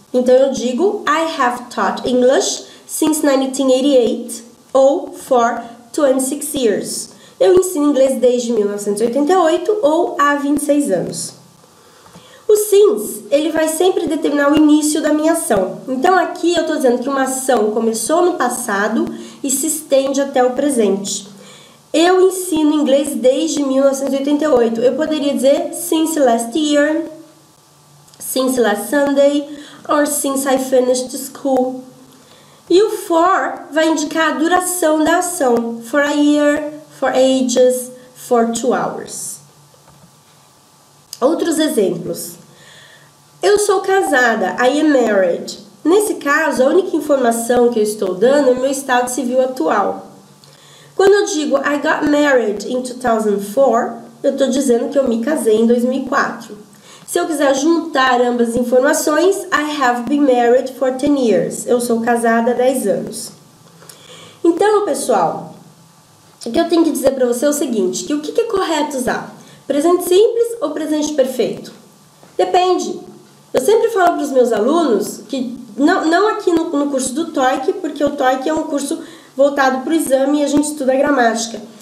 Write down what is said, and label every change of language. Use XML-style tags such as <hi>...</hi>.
<pt>Então, eu digo,</pt> <en>I have taught English since 1988 ou for 26 years.</en> <pt>Eu ensino inglês desde 1988 ou há 26 anos. O since, ele vai sempre determinar o início da minha ação. Então, aqui eu estou dizendo que uma ação começou no passado e se estende até o presente. Eu ensino inglês desde 1988. Eu poderia dizer</pt> <en>since last year, since last Sunday, or since I finished school.</en> <pt>E o for vai indicar a duração da ação.</pt> <en>For a year, for ages, for 2 hours.</en> <pt>Outros exemplos. Eu sou casada,</pt> <en>I am married.</en> <pt>Nesse caso, a única informação que eu estou dando é o meu estado civil atual. Quando eu digo</pt> <en>I got married in 2004,</en> <pt>eu estou dizendo que eu me casei em 2004. Se eu quiser juntar ambas as informações,</pt> <en>I have been married for 10 years.</en> <pt>Eu sou casada há 10 anos. Então, pessoal, o que eu tenho que dizer para você é o seguinte, que o que é correto usar? Presente simples ou presente perfeito? Depende. Eu sempre falo para os meus alunos, que não aqui no curso do TOEIC, porque o TOEIC é um curso voltado para o exame e a gente estuda a gramática.</pt>